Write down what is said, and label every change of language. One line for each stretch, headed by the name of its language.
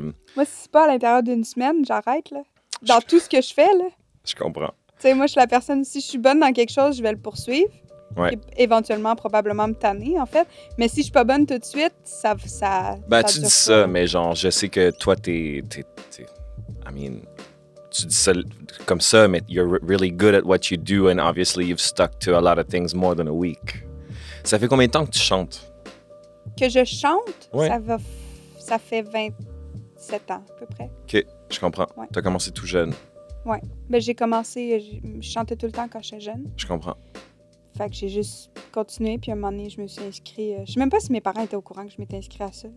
French: Moi, si c'est pas à l'intérieur d'une semaine, j'arrête, là. Dans tout ce que je fais, là. Je comprends. Tu sais, moi, je suis la personne, si je suis bonne dans quelque chose, je vais le poursuivre. Ouais. Éventuellement, probablement me tanner, en fait. Mais si je suis pas bonne tout de suite, ça... tu dis ça, mais genre, je sais que toi, t'es...
English: I mean,
French: tu dis ça comme ça, mais
English: you're really good at what you do and obviously you've stuck to a lot of things more than a week.
French: Ça fait combien de temps que tu chantes? Que je chante? Ouais. Ça fait 27 ans, à peu près. OK, je comprends. Ouais. T'as commencé tout jeune. Ouais. Ben, j'ai commencé... Je chantais tout le temps quand j'étais jeune. Je comprends. Fait que j'ai juste continué, puis à un moment donné, je me suis inscrite. Je sais même pas si mes parents étaient au courant que je m'étais inscrite à ça.